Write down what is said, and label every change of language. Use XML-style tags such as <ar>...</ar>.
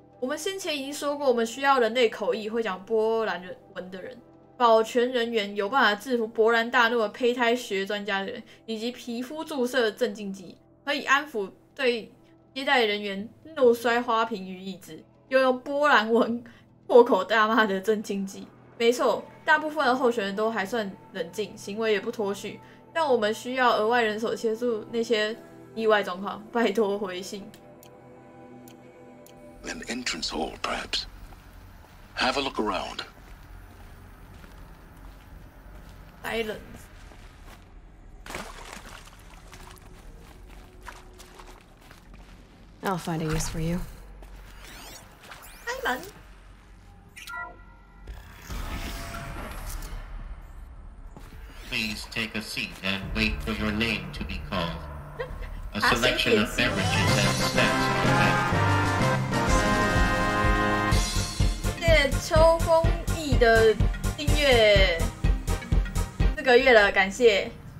<zh>我们先前已经说过，我们需要人类口译会讲波兰文的人，保全人员有办法制服勃然大怒的胚胎学专家的人，以及皮肤注射的镇静剂，可以安抚对接待人员怒摔花瓶于意志，又用波兰文破口大骂的镇静剂。没错，大部分的候选人都还算冷静，行为也不脱序，但我们需要额外人手协助那些意外状况。拜托回信。</zh> <en>An entrance hall, perhaps. Have a look around. Silence. I'll find a use for you.</en> <zh>开门。</zh> <en>Please take a seat and wait for your name to be called. A selection of beverages and snacks are available.</en> <zh>谢谢秋风翼的订阅，四个月了，感谢。</zh>